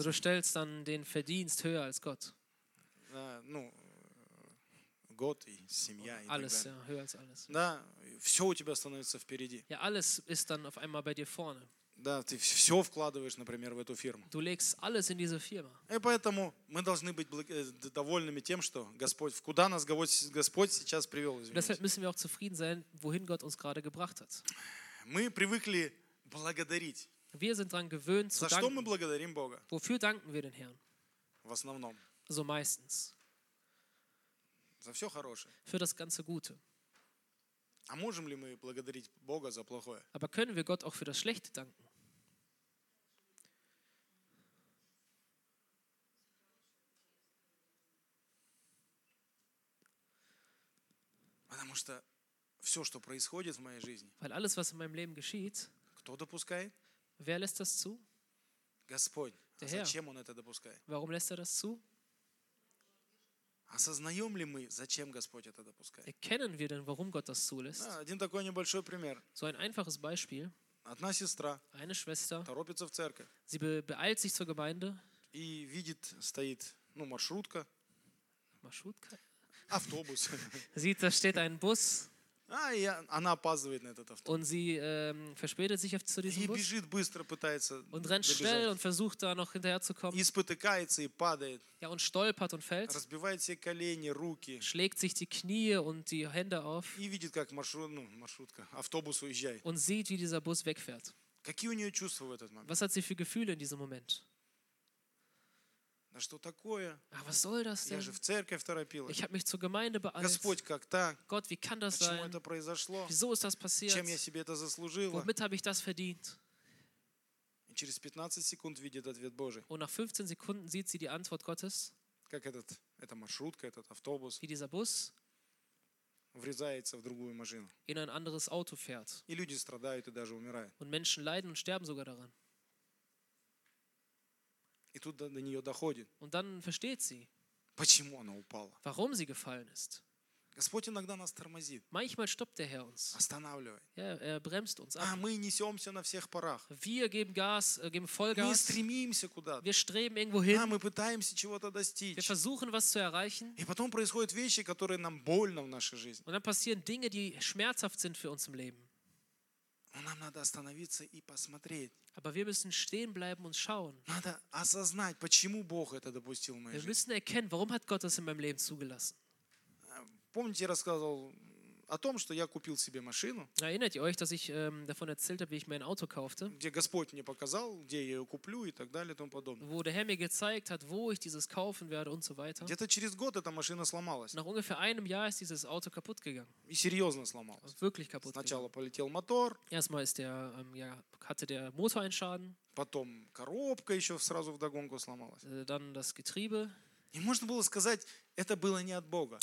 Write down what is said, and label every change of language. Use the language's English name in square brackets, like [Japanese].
[German] Also du stellst dann den Verdienst höher als Gott. [Russian] Ну, Gott и семья. [German] Alles, ja, höher als alles. [Russian] Да, все у тебя становится впереди. [German] Ja, alles ist dann auf einmal bei dir vorne. [Russian] Да, ты все вкладываешь, например, в эту фирму. [German] Du legst alles in diese Firma. [Russian] И поэтому мы должны быть довольными тем, что Господь, куда нас Господь сейчас привел. [German] Deshalb müssen wir auch zufrieden sein, wohin Gott uns gerade gebracht hat. [Russian] Мы привыкли благодарить. [German] Wir sind dran gewöhnt, zu danken. [Russian] За что мы благодарим Бога? [German] Wofür danken wir den Herrn? [Russian] В основном. [German] So meistens. [Russian] За все хорошее. [German] Für das ganze Gute. [Russian] А можем ли мы благодарить Бога за плохое? [German] Aber können wir Gott auch für das Schlechte danken? [Russian] Потому что все, что происходит в моей жизни, [German] weil alles, was in meinem Leben geschieht, [Russian] кто допускает? [German] Wer lässt das zu? [Russian] Господь. [German] Der Herr. [Russian] А зачем Он это допускает? [German] Warum lässt er das zu? [Russian] Осознаем ли мы, зачем Господь это допускает? [German] Erkennen wir denn, warum Gott das zulässt? [Russian] Да, один такой небольшой пример. [German] So ein einfaches Beispiel. [Russian] Одна сестра. [German] Eine Schwester. [Russian] Торопится в церковь. [German] Sie beeilt sich zur Gemeinde. [Russian] И видит, стоит, ну, маршрутка. Маршрутка? Автобус. [German] Sieht, da steht ein Bus. [Russian] А, и она опаздывает на этот автобус. [German] Und sie verspätet sich zu diesem Bus. [Russian] И бежит быстро, пытается. [German] Und rennt schnell und versucht da noch hinterherzukommen. [Russian] И спотыкается и падает. [German] Ja, und stolpert und fällt. [Russian] Разбивает все колени, руки. [German] Schlägt sich die Knie und die Hände auf. [Russian] И видит, как маршрутка, автобус уезжает. [German] Und sieht, wie dieser Bus wegfährt. [Russian] Какие у нее чувства в этот момент? [German] Was hat sie für Gefühle in diesem Moment? [Russian] Да что такое? [German] А, was soll das denn? [Russian] Я же в церковь торопилась. [German] Ich habe mich zur Gemeinde beeilt. [Russian] Господь, как так? [German] Gott, wie kann das [Russian] Почему [German] sein? [Russian] Это произошло? [German] Wieso ist das passiert? [Russian] Чем я себе это заслужила? [German] Womit habe ich das verdient? [Russian] И через 15 секунд видит ответ Божий. [German] Und nach 15 Sekunden sieht sie die Antwort Gottes. [Russian] Как эта маршрутка, этот автобус. [German] Wie dieser Bus. [Russian] Врезается в другую машину. [German] In ein anderes Auto fährt. [Russian] И люди страдают и даже умирают. [German] Und Menschen leiden und sterben sogar daran. [Russian] И тут до нее доходит. [German] Und dann versteht sie, [Russian] почему она упала. [German] Warum sie gefallen ist. [Russian] Господь иногда нас тормозит. [German] Manchmal stoppt der Herr uns. [Russian] Останавливает. [German] Ja, er bremst uns ab. [Russian] А мы несемся на всех парах. [German] Wir geben Gas, geben Vollgas. [Russian] Мы стремимся куда-то. [German] Wir streben irgendwo hin. [Russian] Мы пытаемся чего-то достичь. [German] Wir versuchen, was zu erreichen. [Russian] И потом происходят вещи, которые нам больно в нашей жизни. [German] Und dann passieren Dinge, die schmerzhaft sind für uns im Leben. Und [Russian] нам надо остановиться и посмотреть. [German] Aber wir müssen stehen bleiben und schauen. [Russian] Надо осознать, почему Бог это допустил в моей жизни. [German] Wir müssen erkennen, warum hat Gott das in meinem Leben zugelassen. [Russian] Помните, я рассказывал о том, что я купил себе машину. [German] Erinnert ihr euch, dass ich davon erzählt habe, wie ich mir ein Auto kaufte? [Russian] Где Господь мне показал, где я ее куплю и так далее и тому подобное. [German] Wo der Herr mir gezeigt hat, wo ich dieses kaufen werde und so weiter. [Russian] Где-то через год эта машина сломалась. [German] Nach ungefähr einem Jahr ist dieses Auto kaputt gegangen. [Russian] И серьезно сломалась. [German] Wirklich kaputt. [Russian] Сначала полетел мотор. [German] Erstmal ist der hatte der Motor einen Schaden. [Russian] Потом коробка еще сразу вдогонку сломалась. [German] Dann das Getriebe. [Russian] И можно было сказать, это было не от Бога.